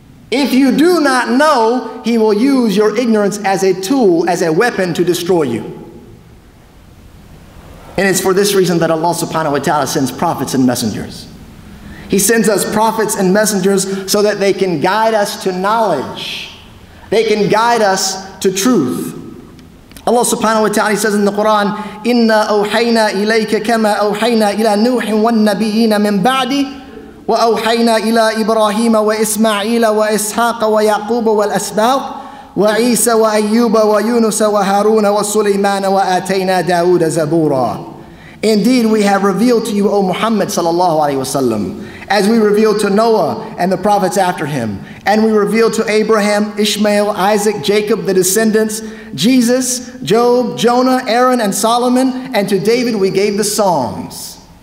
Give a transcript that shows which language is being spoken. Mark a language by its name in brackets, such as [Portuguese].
[English] If you do not know, he will use your ignorance as a tool, as a weapon to destroy you. And it's for this reason that Allah subhanahu wa ta'ala sends prophets and messengers. He sends us prophets and messengers so that they can guide us to knowledge. They can guide us to truth. Allah subhanahu wa ta'ala says in the Quran, [Arabic] إِنَّا أَوْحَيْنَا إِلَيْكَ كَمَا أَوْحَيْنَا إِلَى نُوحٍ وَالنَّبِيِّينَ مِنْ بَعْدِ وَأَوْحَيْنَا إِلَىٰ إِبْرَاهِيمَ وَإِسْمَعِيلَ وَإِسْحَاقَ وَيَعْقُوبَ وَالْأَسْبَاطِ وَعِيسَى وَأَيُّوبَ وَيُونُسَ وَهَارُونَ وَسُلَيْمَانَ وَآتَيْنَا دَاوُودَ زَبُورًا. [English] Indeed, we have revealed to you, O Muhammad sallallahu alaihi wasallam, as we revealed to Noah and the prophets after him, and we revealed to Abraham, Ishmael, Isaac, Jacob, the descendants, Jesus, Job, Jonah, Aaron, and Solomon, and to David we gave the Psalms.